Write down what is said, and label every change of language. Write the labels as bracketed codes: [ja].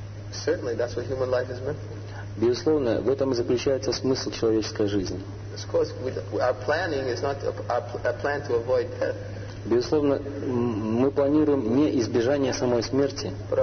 [en] Certainly, that's what human life is meant for. [ru] Безусловно, в этом и заключается смысл человеческой жизни. [en] Of course, our planning is not a plan to avoid death. [ru] Безусловно, мы планируем не избежание самой смерти.